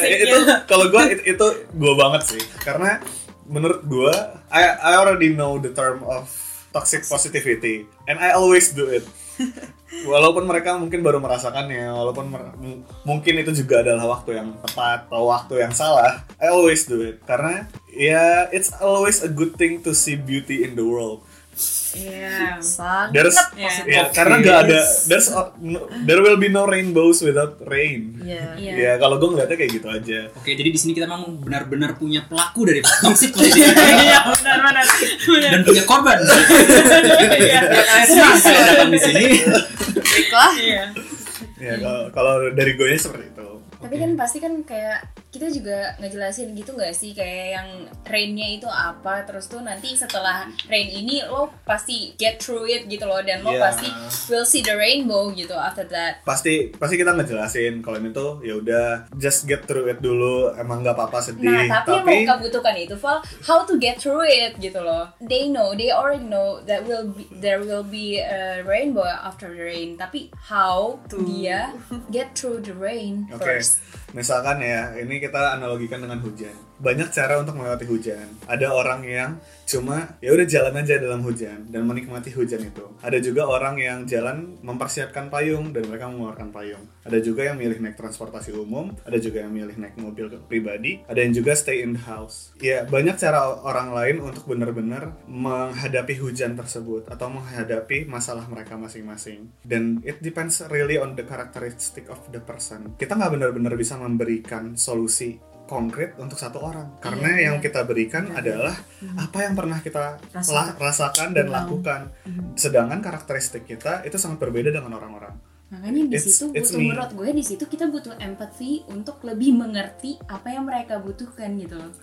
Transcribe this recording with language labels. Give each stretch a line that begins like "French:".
Indonesian: Itu kalau gue itu gue banget sih, karena menurut gue
English: I already know the term of toxic positivity and I always do it.
Indonesian: Walaupun mereka mungkin baru merasakannya, walaupun mungkin itu juga adalah waktu yang tepat atau waktu yang salah,
English: I always do it.
Indonesian: Karena ya,
English: it's always a good thing to see beauty in the world. Yeah, there's, yeah. Yeah,
Indonesian: karena gak ada,
English: there will be no rainbows without rain. Yeah.
Indonesian: Yeah, kalau gue ngeliatnya kayak gitu aja. Oke, okay, jadi di sini kita memang benar-benar punya pelaku dari toxic positivity. Benar-benar. Dan punya korban. Senang saya datang di sini. Baiklah. Yeah, kalau dari gue nya seperti itu. Tapi kan pasti kan kayak kita juga ngejelasin gitu gak sih, kayak yang rain-nya itu apa, terus tuh nanti setelah rain ini lo pasti
English: get through it
Indonesian: gitu loh, dan lo pasti
English: will see the rainbow
Indonesian: gitu
English: after that.
Indonesian: Pasti kita ngejelasin kalau ini tuh ya udah
English: just get through it
Indonesian: dulu, emang gak apa-apa sedih. Nah, tapi yang mereka butuhkan itu Val,
English: how to get through it
Indonesian: gitu loh.
English: They already know that there will be a rainbow after the rain, tapi how to dia get through the rain first. Okay.
Indonesian: Misalkan ya, ini kita analogikan dengan hujan. Banyak cara untuk melewati hujan. Ada orang yang cuma ya udah jalan aja dalam hujan dan menikmati hujan itu. Ada juga orang yang jalan mempersiapkan payung dan mereka mengeluarkan payung. Ada juga yang milih naik transportasi umum, ada juga yang milih naik mobil pribadi, ada yang juga
English: stay in the house.
Indonesian: Ya, banyak cara orang lain untuk benar-benar menghadapi hujan tersebut atau menghadapi masalah mereka masing-masing.
English: Dan it depends really on the characteristic of the person.
Indonesian: Kita nggak benar-benar bisa memberikan solusi konkret untuk satu orang, karena yang kita berikan adalah apa yang pernah kita rasakan dan lakukan, sedangkan karakteristik kita itu sangat berbeda dengan orang-orang. Makanya di situ butuh, menurut gue di situ kita butuh empathy untuk lebih mengerti apa yang mereka butuhkan gitu.